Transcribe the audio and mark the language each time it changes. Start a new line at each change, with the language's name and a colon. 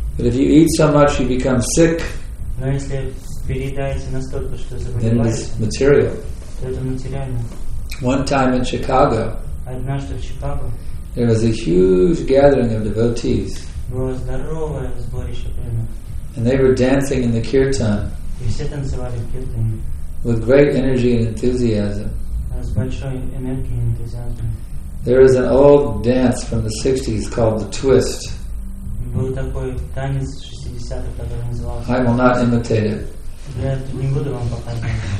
English: But if you eat so much, you become sick.
Russian: Но если переедаете настолько, что заболеваете,
English: then it is material.
Russian: То это материально.
English: One time in Chicago,
Russian: однажды в Чикаго,
English: there was a huge gathering of devotees.
Russian: Было здоровое сборище прямо.
English: And they were dancing in the kirtan.
Russian: И все танцевали в киртане.
English: With great energy and enthusiasm.
Russian: С большой энергией и энтузиазмом.
English: There is an old dance from the 60s called the twist.
Russian: Был такой танец 60-х, который назывался.
English: I will not imitate it.
Russian: Я не буду вам показывать.